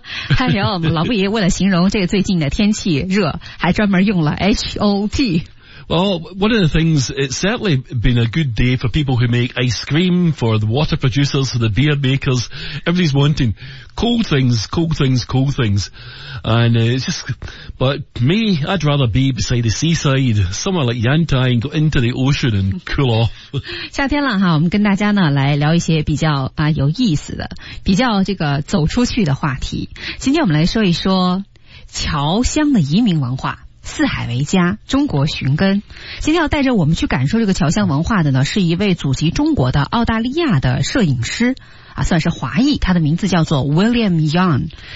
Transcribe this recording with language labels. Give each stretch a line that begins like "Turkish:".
Chinese: 太牛，老布爷为了形容这个最近的天气热还专门用了 HOT。
English: Well, one of the things, it's certainly been a good day for people who make ice cream, for the water producers, for the beer makers. Everybody's wanting cold things, cold things, cold things. And it's just, but me, I'd rather be beside the seaside, somewhere like Yantai, and go into the ocean and cool off.
Chinese: 夏天了哈，我们跟大家呢来聊一些比较啊有意思的，比较这个走出去的话题。今天我们来说一说侨乡的移民文化。四海为家，中国寻根。今天要带着我们去感受这个侨乡文化的呢，是一位祖籍中国的澳大利亚的摄影师啊，算是华裔，他的名字叫做 William Young。